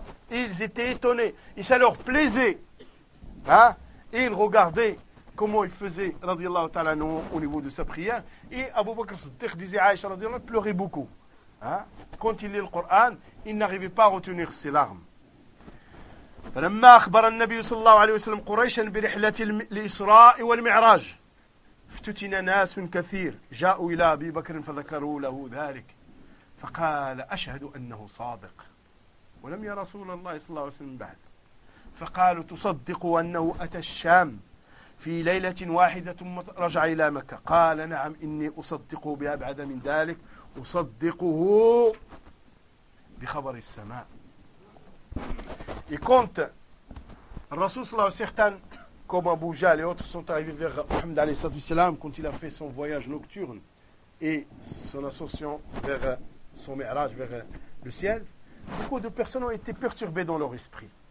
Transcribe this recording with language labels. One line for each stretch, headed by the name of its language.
French: Et ils étaient étonnés. Et ça leur plaisait. Hein? Et ils regardaient comment il faisait, radiallahu ta'ala, au niveau de sa prière. Et Abu Bakr Siddiq disait, Aïcha, radiallahu ta'ala, pleurait beaucoup. Hein? Quand il lit le Coran, il n'arrivait pas à retenir ses larmes.
Arabic: فلما أخبر النبي صلى الله عليه وسلم قريشا برحلة الإسراء والمعراج افتتن ناس كثير جاءوا إلى أبي بكر فذكروا له ذلك فقال أشهد أنه صادق ولم يرى رسول الله صلى الله عليه وسلم بعد فقالوا تصدق أنه أتى الشام في ليلة واحدة ثم رجع إلى مكة قال نعم إني أصدق بأبعد من ذلك وصدقه بخبر السماء.
French: Et quand Rasoul Salah, certains comme Abu Jahl et autres sont arrivés vers Muhammad alayhi salatu wasalam, quand il a fait son voyage nocturne et son ascension vers son mi'raj, vers le ciel, beaucoup de personnes ont été perturbées dans leur esprit.